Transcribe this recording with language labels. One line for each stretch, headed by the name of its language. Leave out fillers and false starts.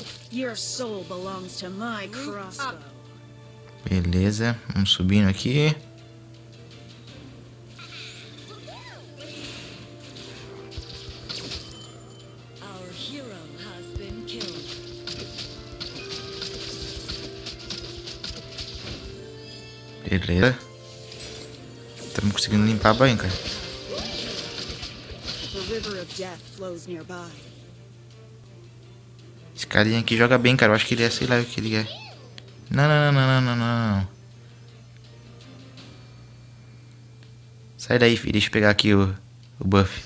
English: Your soul belongs to my crossbow.
Portuguese: Beleza, vamos subindo aqui.
English: Our hero has been killed.
Portuguese: Beleza. Estamos conseguindo limpar a banca.
English: The river of death flows nearby.
Portuguese: Esse carinha aqui joga bem, cara. Eu acho que ele é, sei lá o que ele é. Não, não, não, não, não, não, não. Sai daí, filho. Deixa eu pegar aqui o buff.